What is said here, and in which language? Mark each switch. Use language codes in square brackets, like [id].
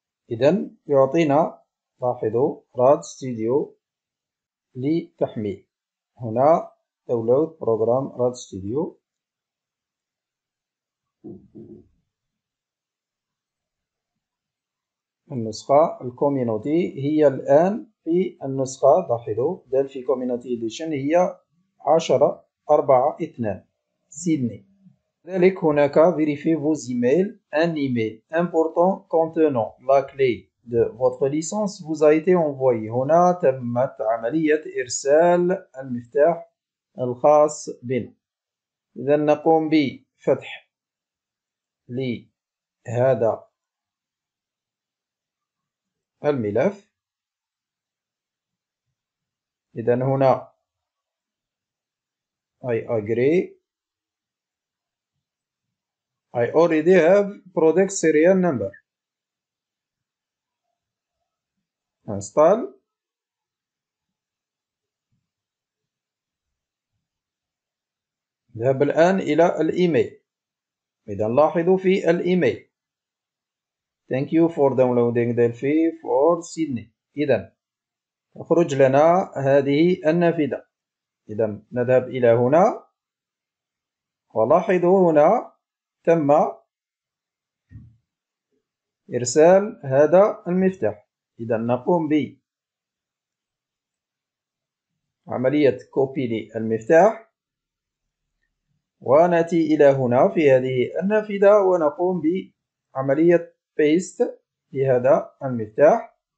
[ar] إذا يعطينا لاحظوا راد ستوديو لتحميل هنا داونلود بروجرام راد ستوديو النسخة الكوميونيتي هي الآن في النسخة لاحظوا دلفي كوميونيتي إديشن هي 10.4.2 سيدني. كذلك هناك [fr] verify vos emails un email important contenant la clé de votre licence vous a été envoyé. [ar] هنا تمت عملية إرسال المفتاح الخاص بنا. إذا نقوم بفتح لهذا الملف. إذا هنا [en] I agree. I already have product serial number. Install. [ar] نذهب الآن إلى الإيميل. إذا لاحظوا في الإيميل. [en] Thank you for downloading Delphi for Sydney. [ar] إذا تخرج لنا هذه النافذة. إذا نذهب إلى هنا. ولاحظوا هنا. تم إرسال هذا المفتاح. إذا نقوم بعملية كوبي للمفتاح ونأتي إلى هنا في هذه النافذة ونقوم بعملية بيست لهذا المفتاح.